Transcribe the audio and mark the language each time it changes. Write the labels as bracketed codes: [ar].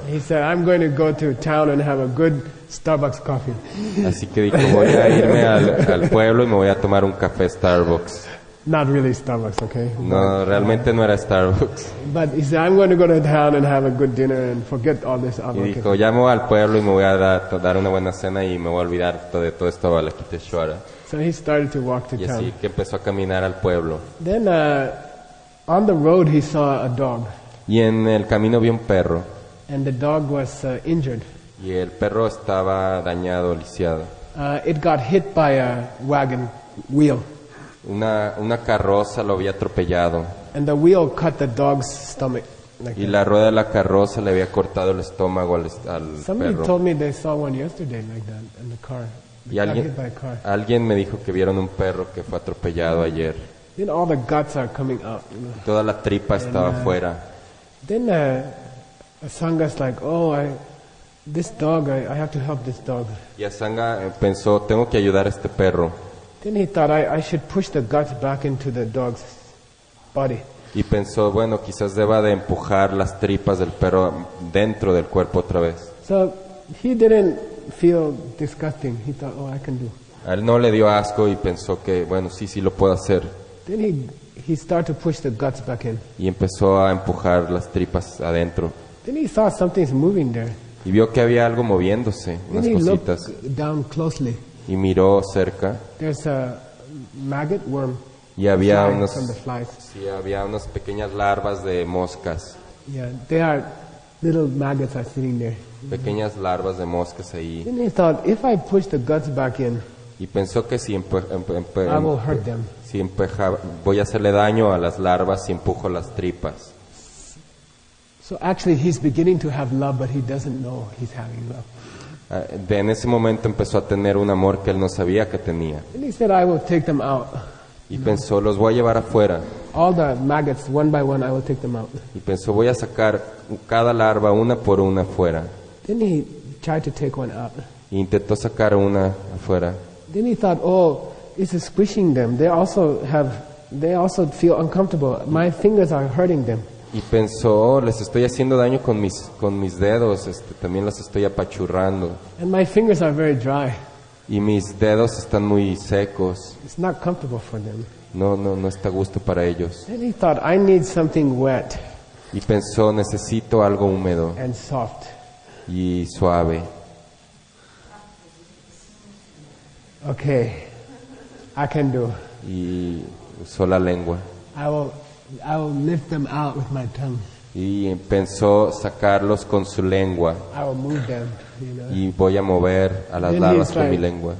[en] He said, I'm going to go to town and have a good Starbucks coffee. [es] Así que dijo, voy a irme al pueblo y me voy a tomar un café Starbucks. [en] Not really Starbucks, okay? [es] No, but, realmente no era Starbucks. [en] But he said, I'm going to go to town and have a good dinner and forget all this. [es] Y dijo, llamo al pueblo y me voy a dar una buena cena y me voy a olvidar de todo esto balaquite shuara. [en] So he started to walk to [es] y [en] town. [es] Y así que empezó a caminar al pueblo. [en] Then on the road he saw a dog. [es] Y en el camino vi un perro. [en] And the dog was injured. [es] Y el perro estaba dañado, lisiado. [en] It got hit by a wagon wheel. [es] Una carroza lo había atropellado. [en] And the wheel cut the dog's stomach. [es] Y la rueda de la carroza le había cortado el estómago al perro. [en] Somebody told me they saw one yesterday like that in the car. [es] Y alguien me dijo que vieron un perro que fue atropellado ayer. [en] Then all the guts are coming out. [es] Toda la tripa estaba fuera. [en] Then a sangha's like, oh, I have to help this dog. [es] Y a sangha pensó, tengo que ayudar a este perro. [en] Then he thought, I should push the guts back into the dog's body. [es] Y pensó, bueno, quizás deba de empujar las tripas del perro dentro del cuerpo otra vez. [en] So he didn't feel disgusting. He thought, oh, I can do. [es] A él no le dio asco y pensó que, bueno, sí lo puedo hacer. [en] Then he started to push the guts back in. [es] Y empezó a empujar las tripas adentro. [en] Then he saw something's moving there. [es] Y vio que había algo moviéndose, unas cositas. [en] Then he looked down closely. [es] Y miró cerca. [en] There's a maggot worm. [es] Y había unos, [en] from the flies. [es] Sí, había unas pequeñas larvas de moscas. [en] Yeah, they are little maggots are sitting there. [es] Pequeñas larvas de moscas ahí. [en] Then he thought, if I push the guts back in. [es] Y pensó que si [en] I will hurt them. [es] Si voy a hacerle daño a las larvas si empujo las tripas. [en] So actually, he's beginning to have love, but he doesn't know he's having love. [es] En ese momento empezó a tener un amor que él no sabía que tenía. [en] And he said, I will take them out. [es] Y pensó, los voy a llevar afuera. [en] All the maggots, one by one, I will take them out. [es] Y pensó, voy a sacar cada larva una por una afuera. [en] Then he tried to take one out. [es] Y intentó sacar una afuera. [en] Then he thought, oh, it's squishing them. They also feel uncomfortable. My fingers are hurting them. [es] Y pensó, oh, les estoy haciendo daño con mis dedos, también las estoy apachurrando. [en] And my fingers are very dry. [es] Y mis dedos están muy secos. [en] It's not comfortable for them. [es] No está a gusto para ellos. [en] Then he thought, I need something wet. [es] Y pensó, necesito algo húmedo. [en] And soft. [es] Y suave. [en] Okay. I can do. [es] Y usó la lengua. [en] I will lift them out with my tongue. [es] Y pensó sacarlos con su lengua. [en] I will move them, you know. [es] Y voy a mover a las larvas con mi lengua.